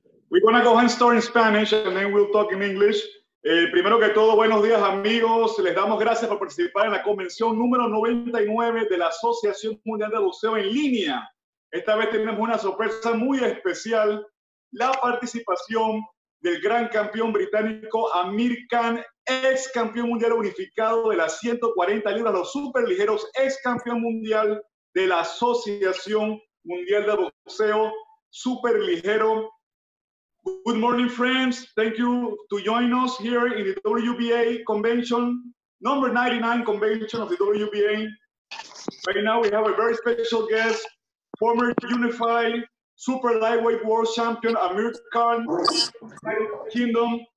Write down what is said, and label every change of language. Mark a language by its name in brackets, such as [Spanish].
[English] We're going to go ahead and start in Spanish and then we'll talk in English. [Spanish] Primero que todo, buenos días, amigos. Les damos gracias por participar en la convención número 99 de la Asociación Mundial de Boxeo en Línea. Esta vez tenemos una sorpresa muy especial, la participación del gran campeón británico Amir Khan, ex campeón mundial unificado de las 140 libras, los superligeros, ex campeón mundial de la Asociación Mundial de Boxeo, superligero. [English] Good morning, friends. Thank you to join us here in the WBA convention, number 99 convention of the WBA. Right now we have a very special guest, former unified super lightweight world champion, Amir Khan, Kingdom.